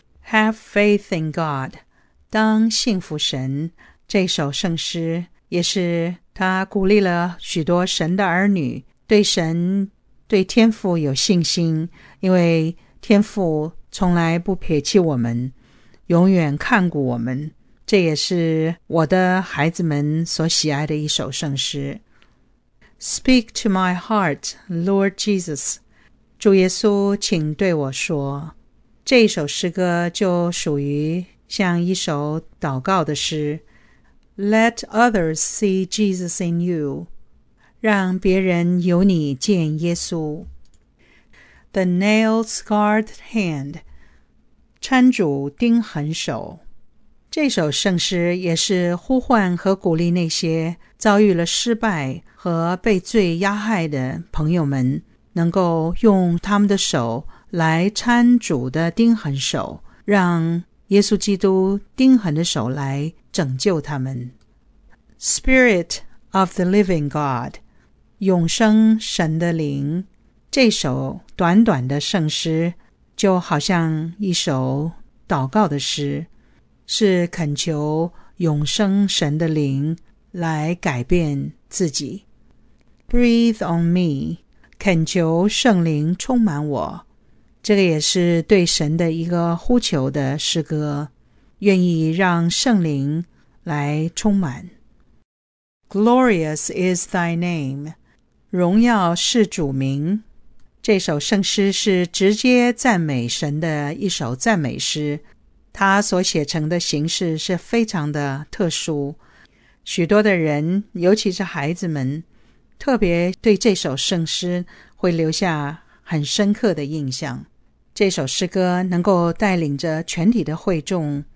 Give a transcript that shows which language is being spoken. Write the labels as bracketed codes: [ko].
[en] Have faith in God， [zh] 当信服神，这首圣诗也是他鼓励了许多神的儿女对神、对天父有信心，因为天父从来不撇弃我们，永远看顾我们。这也是我的孩子们所喜爱的一首圣诗。 [en] Speak to my heart, Lord Jesus. [zh] 主耶稣，请对我说。这首诗歌就属于像一首祷告的诗。 [en] Let others see Jesus in you. [zh] 让别人由你见耶稣。 [en] The nail-scarred hand. [zh] 搀主钉痕手。这首圣诗也是呼唤和鼓励那些遭遇了失败和被罪压害的朋友们，能够用他们的手来搀主的钉痕手，让耶稣基督钉痕的手来拯救他们。 [en] Spirit of the Living God， [zh] 永生神的灵。这首短短的圣诗就好像一首祷告的诗，是恳求永生神的灵来改变自己。 [en] Breathe on me， [zh] 恳求圣灵充满我。这个也是对神的一个呼求的诗歌，愿意让圣灵来充满。 [en] Glorious is thy name， [zh] 荣耀是主名。这首圣诗是直接赞美神的一首赞美诗，他所写成的形式是非常的特殊，许多的人，尤其是孩子们，特别对这首圣诗会留下很深刻的印象。这首诗歌能够带领着全体的会众